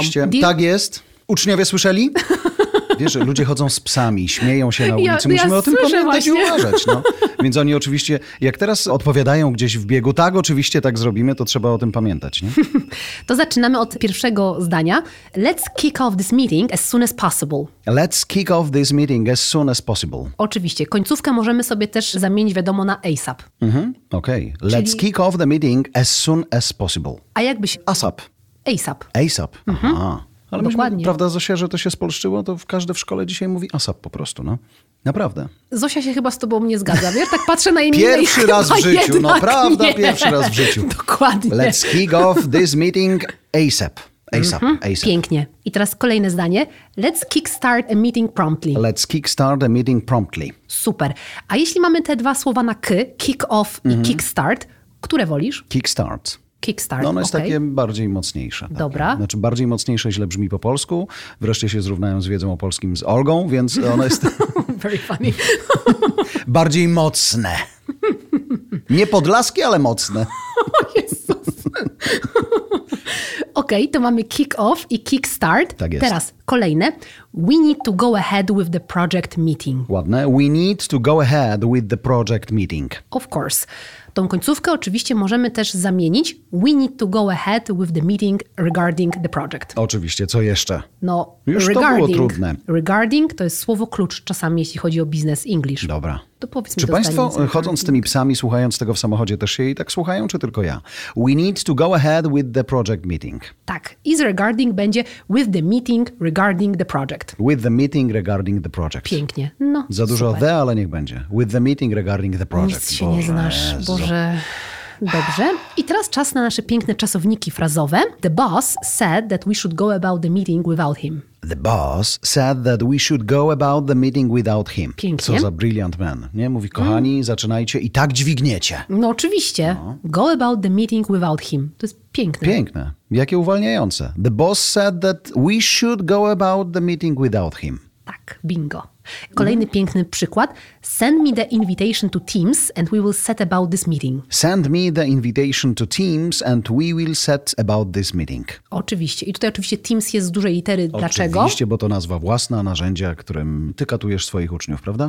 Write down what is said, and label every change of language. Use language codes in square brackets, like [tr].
[pl] Oczywiście, tak jest. Uczniowie słyszeli? Wiesz, ludzie chodzą z psami, śmieją się na ulicy. Musimy o tym pamiętać właśnie. I uważać. No. Więc oni oczywiście, jak teraz odpowiadają gdzieś w biegu, tak, oczywiście tak zrobimy, to trzeba o tym pamiętać. Nie? To zaczynamy od pierwszego zdania. [en] Let's kick off this meeting as soon as possible. Let's kick off this meeting as soon as possible. [pl] Oczywiście. Końcówkę możemy sobie też zamienić, wiadomo, na ASAP. Mhm, okej. Okay. [en] Let's czyli kick off the meeting as soon as possible. [pl] A jakbyś [en] ASAP. ASAP. ASAP. Aha. Mhm. [pl] Ale dokładnie. Myśmy, prawda, Zosia, że to się spolszczyło, to w każde w szkole dzisiaj mówi ASAP po prostu, no. Naprawdę. Zosia się chyba z tobą nie zgadza, wiesz? Tak patrzę na imię. Pierwszy raz w życiu, no prawda, pierwszy raz w życiu. Dokładnie. Let's kick off this meeting ASAP. ASAP, ASAP. Pięknie. I teraz kolejne zdanie. Let's kickstart a meeting promptly. Let's kickstart a meeting promptly. Super. A jeśli mamy te dwa słowa na K, kick off i kickstart, które wolisz? Kickstart. Kickstart. No ono jest okay. Takie bardziej mocniejsze. Takie. Dobra. Znaczy bardziej mocniejsze źle brzmi po polsku. Wreszcie się zrównają z wiedzą o polskim z Olgą, więc ono jest [en] very funny. [pl] Bardziej mocne. Nie podlaski, ale mocne. Jezus. Okej, okay, to mamy kick off i kickstart. Tak jest. Teraz kolejne. [en] We need to go ahead with the project meeting. [pl] Ładne. [en] We need to go ahead with the project meeting. Of course. [pl] Tą końcówkę oczywiście możemy też zamienić. [en] We need to go ahead with the meeting regarding the project. [pl] Oczywiście, co jeszcze? No, już [en] regarding. [pl] To było trudne. Regarding to jest słowo klucz czasami, jeśli chodzi o business English. Dobra. To powiedz mi. Czy to państwo chodząc z tymi psami, słuchając tego w samochodzie, też się jej tak słuchają, czy tylko ja? [en] We need to go ahead with the project meeting. [pl] Tak. I z regarding będzie [en] with the meeting regarding the project. With the meeting regarding the project. [pl] Pięknie. No, za dużo the, ale niech będzie. [en] With the meeting regarding the project. [pl] Nic się Boże, nie znasz, Jezu. Boże. Dobrze. I teraz czas na nasze piękne czasowniki frazowe. [en] The boss said that we should go about the meeting without him. The boss said that we should go about the meeting without him. [pl] Pięknie. Co za [en] brilliant man. [pl] Nie? Mówi, kochani, zaczynajcie i tak dźwigniecie. No oczywiście. No. [en] Go about the meeting without him. [pl] To jest piękne. Piękne. Jakie uwalniające. [en] The boss said that we should go about the meeting without him. [pl] Tak, bingo. Kolejny piękny przykład. [en] Send me the invitation to Teams and we will set about this meeting. Send me the invitation to Teams and we will set about this meeting. [pl] Oczywiście. I tutaj oczywiście Teams jest z dużej litery. Dlaczego? Oczywiście, bo to nazwa własna narzędzia, którym ty katujesz swoich uczniów, prawda?